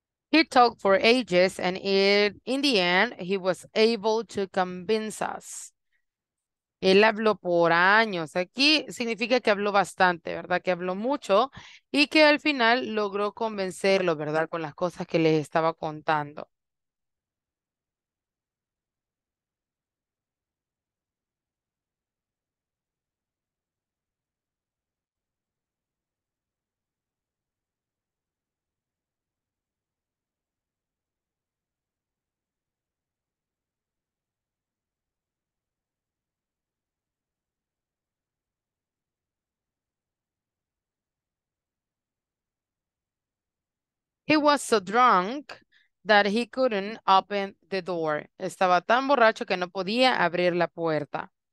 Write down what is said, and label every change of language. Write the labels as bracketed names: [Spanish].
[English] He talked for ages, and in the end, he was able to convince us. [Spanish] Él habló por años. Aquí significa que habló bastante, ¿verdad? Que habló mucho y que al final logró convencerlo, ¿verdad? Con las cosas que les estaba contando. [English] He was so drunk that he couldn't open the door. [Spanish] Estaba tan borracho que no podía abrir la puerta.